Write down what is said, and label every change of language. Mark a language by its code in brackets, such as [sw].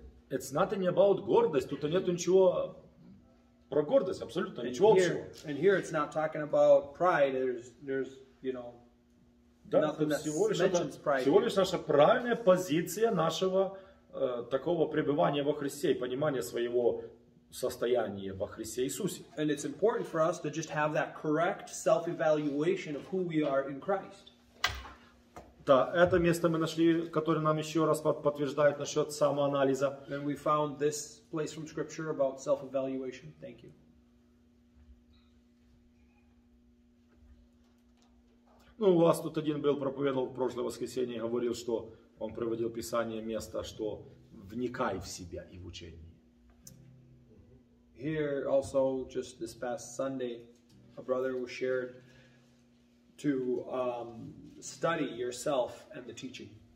[en] It's not about [ru] гордость, тут нет ничего. Про гордость абсолютно ничего общего. [en] And here it's not talking about pride. There's you know, [ru] да, [en] nothing that mentions pride. [ru] Всего лишь наша правильная позиция нашего такого пребывания во Христе и понимания своего состояния во Христе Иисусе. [en] And it's important for us to just have that correct self-evaluation of who we are in Christ. [ru] Да, это место мы нашли, которое нам еще раз подтверждает насчет самоанализа. [en] And we found this place from scripture about self-evaluation. Thank you. [ru] Ну, у вас тут один был, проповедовал в прошлое воскресенье, говорил, что он приводил писание место, что вникай в себя и в учение. [en] Here also, just this past Sunday, a brother was shared to study yourself and the teaching.